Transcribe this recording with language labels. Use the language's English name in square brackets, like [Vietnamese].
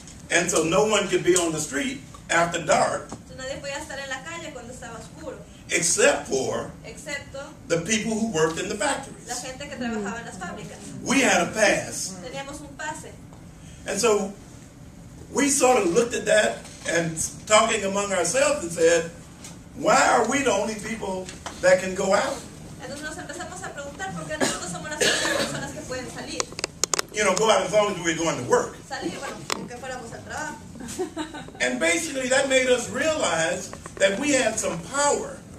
[English] And so no one could be on the street after dark. [Spanish] Nadie podía estar en la calle cuando estaba oscuro. [English] Except for [Spanish] excepto [English] the people who worked in the factories. [Spanish] La gente que trabajaba en las fábricas. [English] We had a pass. [Spanish] Teníamos un pase. [English] And so we sort of looked at that and talking among ourselves and said, why are we the only people that can go out? [Spanish] Entonces nos empezamos a preguntar por qué nosotros somos las únicas personas que pueden salir. [English] You know, go out as long as we're going to work. [Spanish] Salir, bueno, aunque fuéramos al trabajo. [English] And basically that made us realize that we had some power.